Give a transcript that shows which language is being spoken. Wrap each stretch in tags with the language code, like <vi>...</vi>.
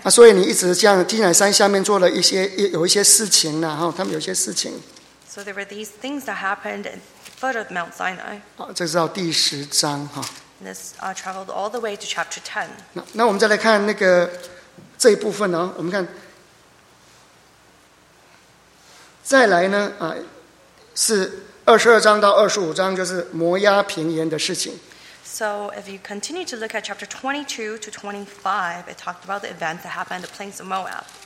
<zh>啊，所以你一直这样，西乃山下面做了一些事情呢，哈，他们有些事情。</zh> <en>So there were these things that happened at the foot of Mount Sinai.</en> <zh>哦，这是到第十章哈。</zh> <en>This traveled all the way to chapter 10.</en> <zh>那我们再来看那个。这一部分呢、哦，我们看，再来呢啊，是22章到25章，就是摩押平原的事情。</zh> <en>So if you continue to look at chapter 22 to 25, it talked about the events that happened at the plains of Moab.</en>